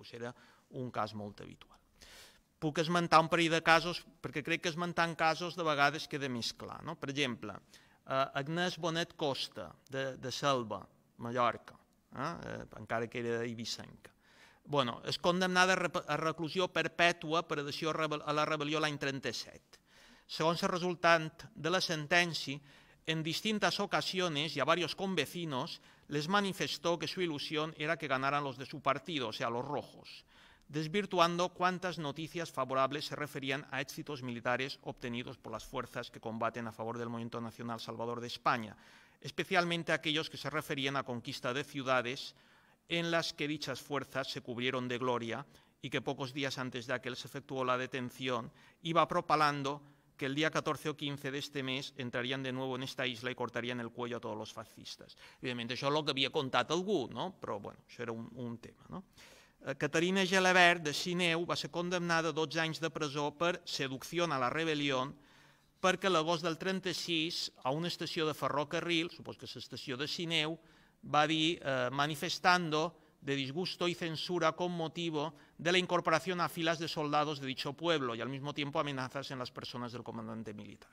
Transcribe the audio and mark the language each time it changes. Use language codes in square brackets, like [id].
[ca] Era un cas molt habitual. Puc esmentar un parell de casos, perquè crec que esmentant casos de vegades queda més clar. Per exemple, Agnès Bonet Costa, de Selva, Mallorca, encara que era eivissenca. És condemnada a reclusió perpètua per adhesió a la rebel·lió l'any 37. Segons el resultat de la sentència, en distintes ocasions i [es] a diversos convecinos, les manifestó que su ilusión era que ganaran los de su partido, o sea, los rojos, desvirtuando cuántas noticias favorables se referían a éxitos militares obtenidos por las fuerzas que combaten a favor del movimiento nacional salvador de España, especialmente aquellos que se referían a conquista de ciudades en las que dichas fuerzas se cubrieron de gloria y que pocos días antes de aquel se efectuó la detención, iba propalando que el día 14 o 15 de este mes entrarían de nuevo en esta isla y cortarían el cuello a todos los fascistas. Evidentemente, eso es lo que había contado algún, ¿no? Pero bueno, eso era un tema, ¿no? [ca] Caterina Gelabert, de Sineu, va ser condemnada a 12 anys de presó per seducció a la rebel·lió perquè l'agost del 36, a una estació de ferrocarril, suposo que és l'estació de Sineu, va dir, [es] manifestando de disgusto y censura con motivo de la incorporación a filas de soldados de dicho pueblo y al mismo tiempo amenazas en las personas del comandante militar.